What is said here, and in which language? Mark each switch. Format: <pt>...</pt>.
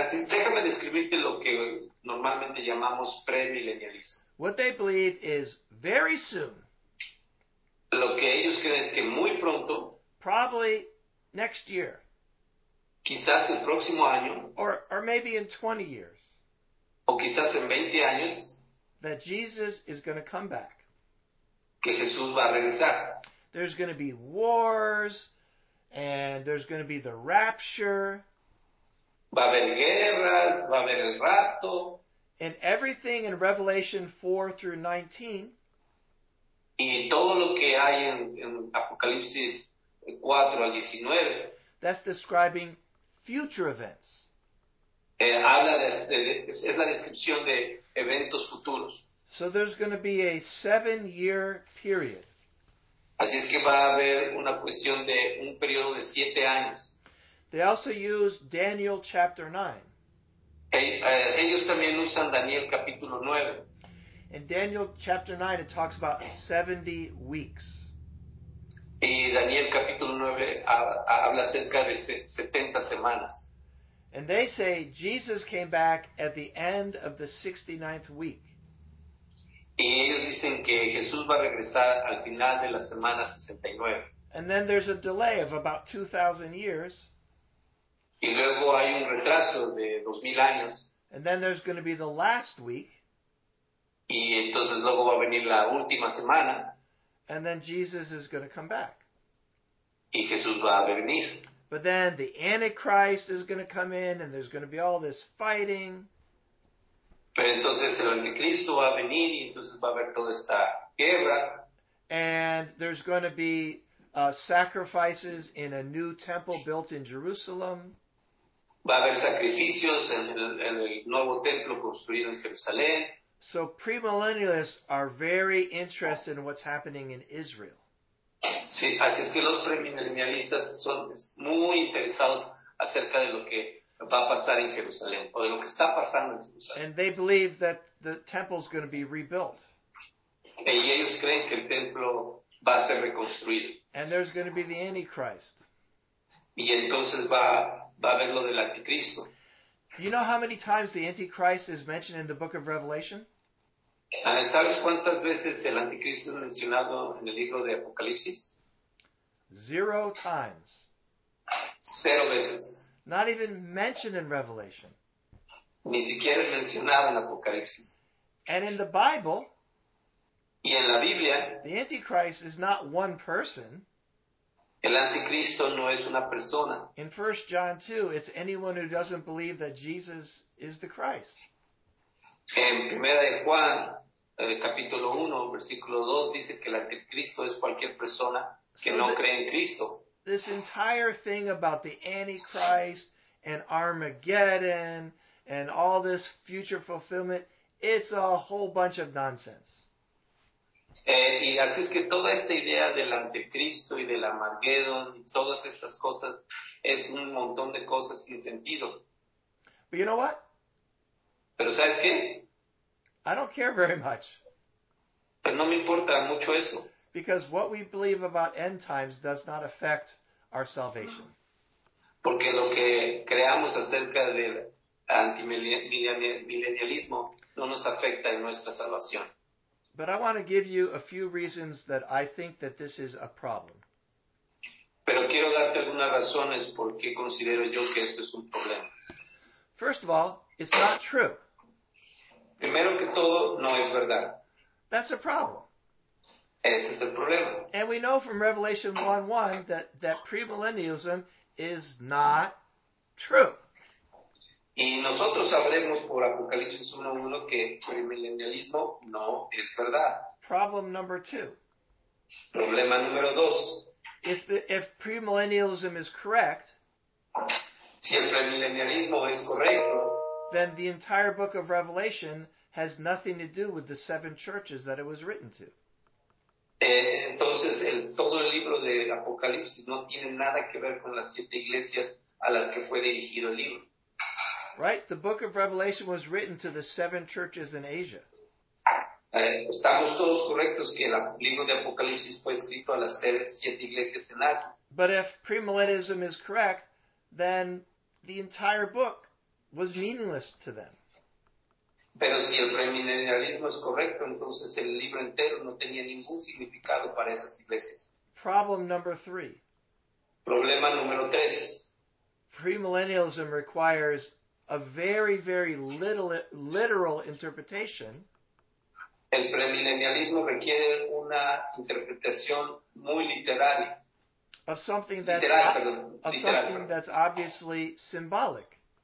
<es>Déjame describirte lo que normalmente llamamos premillennialismo.</es> <en>What they believe is very soon.</en> <es>Lo que ellos creen es que muy pronto.</es> <en>Probably next year.</en> <es>Quizás el próximo año.</es> <en>Or maybe in 20 years.</en> <es>O quizás en 20 años.</es> <en>That Jesus is going to come back.</en> <es>Que Jesús va a regresar.</es> <en>There's going to be wars. And there's going to be the rapture.</en> <es>Va a haber guerras. Va a haber el rapto.</es> <en>And everything in Revelation 4 through 19.</en> <es>Y todo lo que hay en Apocalipsis 4 al 19.</es> <en>That's describing future events.</en> <es>Es la descripción de eventos futuros.</es> <en>So there's going to be a 7-year period.</en> <es>Así es que va a haber una cuestión de un periodo de 7 años.</es> <en>They also use Daniel chapter 9.</en> <es>Ellos también usan Daniel capítulo 9.</es> <en>In Daniel chapter 9 it talks about 70 weeks.</en> <es>Y Daniel capítulo 9 habla acerca de 70 semanas.</es> <en>And they say Jesus came back at the end of the 69th week.</en> <es>Y ellos dicen que Jesús va a regresar al final de la semana 69.</es> <en>And then there's a delay of about 2,000 years.</en> <es>Y luego hay un retraso de 2000 años.</es> <en>And then there's going to be the last week.</en> <es>Y entonces luego va a venir la última semana.</es> <en>And then Jesus is going to come back.</en> <es>Y Jesús va a venir.</es> <en>But then the Antichrist is going to come in and there's going to be all this fighting.</en> <es>Pero entonces el Anticristo va a venir y entonces va a haber toda esta guerra.</es> <en>And there's going to be sacrifices in a new temple built in Jerusalem.</en> <es>Va a haber sacrificios en el nuevo templo construido en Jerusalén.</es> <en>So premillennialists are very interested in what's happening in Israel.</en> <es>Sí, así es que los premillennialistas son muy interesados acerca de lo que va a pasar en Jerusalén, o de lo que está pasando en Jerusalén.</es> <en>And they believe that the temple is going to be rebuilt.</en> <es>Y ellos creen que el templo va a ser reconstruido.</es> <en>And there's going to be the Antichrist.</en> <es>Y entonces va a haber lo del Anticristo.</es> <en>Do you know how many times the Antichrist is mentioned in the book of Revelation?</en> <es>¿Sabes cuántas veces el Anticristo es mencionado en el libro de Apocalipsis?</es> <en>Zero times.</en> <es>Cero veces.</es> <en>Not even mentioned in Revelation.</en> <es>Ni siquiera es mencionado en Apocalipsis.</es> <en>And in the Bible,</en> <es>y en la Biblia,</es> <en>the Antichrist is not one person.</en> <es>El Anticristo no es una persona.</es> <en>In 1 John 2, it's anyone who doesn't believe that Jesus is the Christ.</en> <es>En 1 Juan, capítulo 1, versículo 2, dice que el Anticristo es cualquier persona que no cree en Cristo.</es> <en>This entire thing about the Antichrist and Armageddon and all this future fulfillment, it's a whole bunch of nonsense.</en> <es>Y así es que toda esta idea del Anticristo y del Armageddon y todas estas cosas es un montón de cosas sin sentido.</es> <en>But you know what?</en> <es>Pero ¿sabes qué?</es> <en>I don't care very much.</en> <es>Pero no me importa mucho eso.</es> <en>Because what we believe about end times does not affect our salvation.</en> <es>Porque lo que creamos acerca del antimilenialismo no nos afecta en nuestra salvación.</es> <en>But I want to give you a few reasons that I think that this is a problem.</en> <es>Pero quiero darte algunas razones por qué considero yo que esto es un problema.</es> <en>First of all, it's not true.</en> <es>Primero que todo, no es verdad.</es> <en>That's a problem.</en> <es>Ese es el problema.</es> <en>And we know from Revelation 1:1 that premillennialism is not true.</en> <es>Y nosotros sabremos por Apocalipsis 1:1 que premillennialismo no es verdad.</es> <en>Problem number two.</en> <es>Problema número dos.</es> <en>If premillennialism is correct,</en> <es>si el premillennialismo es correcto,</es> <en>then the entire book of Revelation has nothing to do with the seven churches that it was written to.</en> <es>Entonces, todo el libro de Apocalipsis no tiene nada que ver con las siete iglesias a las que fue dirigido el libro.</es> <en>Right? The book of Revelation was written to the seven churches in Asia.</en> <es>Estamos todos correctos que el libro de Apocalipsis fue escrito a las siete iglesias en Asia.</es> <en>But if premillennialism is correct, then the entire book was meaningless to them.</en> <es>Pero si el premillennialismo es correcto, entonces el libro entero no tenía ningún significado para esas iglesias.</es> <en>Problem number three.</en> <es>Problema número tres.</es> <en>Premillennialism requires a very, very literal interpretation.</en> <es>El premillennialismo requiere una interpretación muy literal.</es> <en>Of something that's, literal, perdón, of literal, something that's obviously symbolic.</en>